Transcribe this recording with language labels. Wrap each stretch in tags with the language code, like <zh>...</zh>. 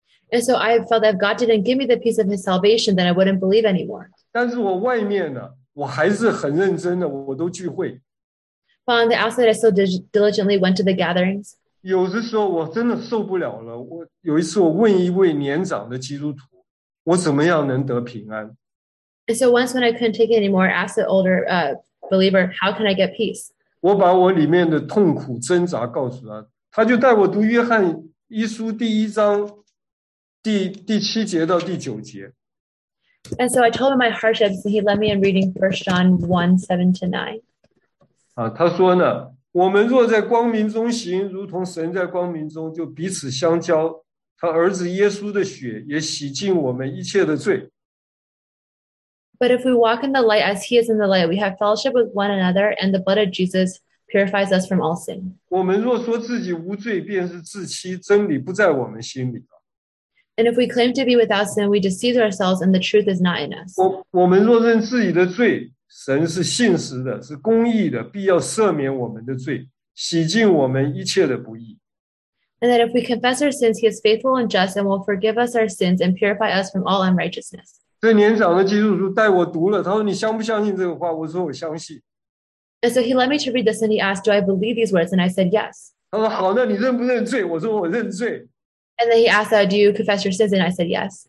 <en>And so I felt that if God didn't give me the peace of his salvation, then I wouldn't believe anymore.</en> <zh>但是我外面呢，我还是很认真的，我都聚会。</zh> <en>But on the outside, I still diligently went to the gatherings.</en> <zh>有的时候我真的受不了了，我有一次我问一位年长的基督徒，我怎么样能得平安？</zh> <en>And so once when I couldn't take it anymore, I asked the older believer, how can I get peace?</en> <zh>我把我里面的痛苦挣扎告诉他，他就带我读约翰一书第一章第七节到第九节。</zh> <en>And so I told him my hardships, and he led me in reading 1 John 1, 7 to 9.</en> <zh>他说呢，我们若在光明中行，如同神在光明中，就彼此相交。他儿子耶稣的血也洗净我们一切的罪。</zh> <en>But if we walk in the light as he is in the light, we have fellowship with one another, and the blood of Jesus purifies us from all sin.</en> <zh>我们若说自己无罪，便是自欺，真理不在我们心里。</zh> <en>And if we claim to be without sin, we deceive ourselves, and the truth is not in us.</en> <zh>我们若认自己的罪，神是信实的，是公义的，必要赦免我们的罪，洗净我们一切的不义。</zh> <en>And that if we confess our sins, he is faithful and just, and will forgive us our sins and purify us from all unrighteousness.</en> <zh>这年长的基督徒带我读了，他说你相不相信这个话，我说我相信。</zh> <en>And so he led me to read this and he asked, do I believe these words? And I said, yes.</en> <zh>他说好，那你认不认罪？我说我认罪。</zh> <en>And then he asked, do you confess your sins? And I said, yes.</en>